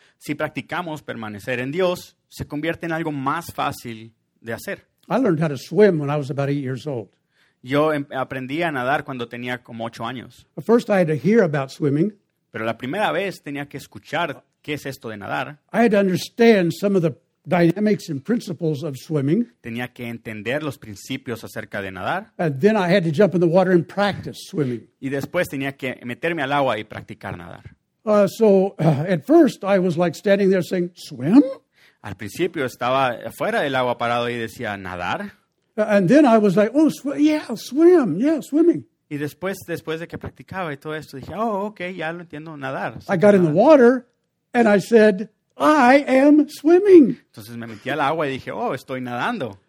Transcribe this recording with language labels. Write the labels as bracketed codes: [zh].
[es] Si practicamos permanecer en Dios, se convierte en algo más fácil de hacer. [en] I learned how to swim when I was about 8 years old. [es] Yo aprendí a nadar cuando tenía como 8 años. [en] First I had to hear about swimming. [es] Pero la primera vez tenía que escuchar qué es esto de nadar. [en] I had to understand some of the dynamics and principles of swimming. [es] Tenía que entender los principios acerca de nadar. [en] And then I had to jump in the water and practice swimming. [es] Y después tenía que meterme al agua y practicar nadar. [en] At first I was like standing there saying, swim? [es] Al principio estaba fuera del agua parado y decía, ¿nadar? [en] And then I was like, swim. Yeah, swimming. [es] Y después de que practicaba y todo esto, dije, okay, ya lo entiendo, nadar. [en] I got [es] nadar. [en] In the water and I said, I am swimming. [es] Entonces me metí al agua y dije, estoy nadando.